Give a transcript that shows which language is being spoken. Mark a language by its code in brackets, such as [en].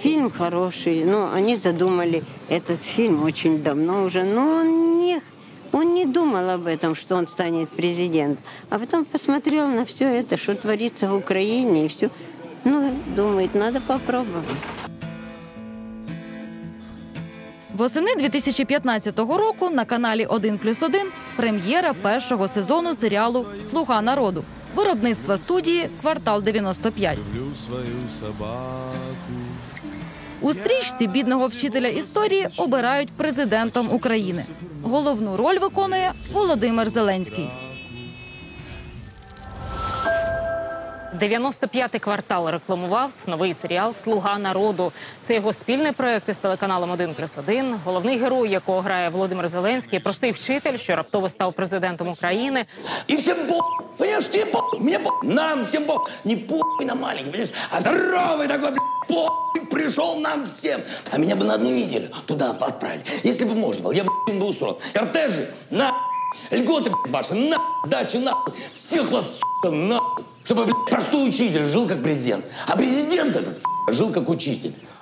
[ru] Фильм хороший, но они задумали этот фильм очень давно уже. Но он не думал об этом, что он станет президентом. А потом посмотрел на все это, что творится в Украине, и все. Ну, думает, надо попробовать. [uk] Восени 2015 року на каналі 1+1 прем'єра першого сезону серіалу «Слуга народу». Виробництво студії «Квартал 95». Люблю свою собаку. У стрічці бідного вчителя історії обирають президентом України. Головну роль виконує Володимир Зеленський. 95-й квартал рекламував новий серіал «Слуга народу». Це його спільний проєкт із телеканалом 1+1. Головний герой, якого грає Володимир Зеленський, простий вчитель, що раптово став президентом України. І всім бо, понеш, ти бо, мені бо, нам всім бо, не похуй на маленький, понеш, а здоровий такий, блядь. [ru] Похуй пришел нам всем. А меня бы на одну неделю туда отправили. Если бы можно было, я бы им бы устроил. Кортежи, нахуй, льготы, блядь, ваши, нахуй, дачи, нахуй, всех вас, сука, нахуй. Чтобы, блядь, простой учитель жил как президент. А президент этот, сука, жил как учитель.